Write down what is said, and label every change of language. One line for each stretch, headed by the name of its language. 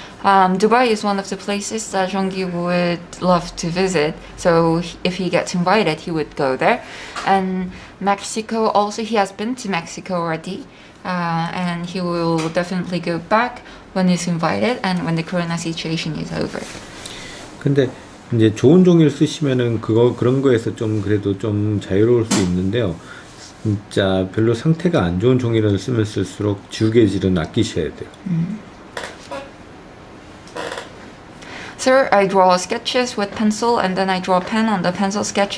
English: Dubai is one of the places that Jeongi would love to visit. So if he gets invited, he would go there. And Mexico also, he has been to Mexico already. And he will definitely go back when he's invited and when the corona situation is over.
Korean: 근데 이제 좋은 종이를 쓰시면은 그거 그런 거에서 좀 그래도 좀 자유로울 수 있는데요. 진짜 별로 상태가 안 좋은 종이를 쓰면 쓸수록 지우개질은 아끼셔야 돼요.
English: Sir, I draw sketches with pencil and then I draw pen on the pencil sketch.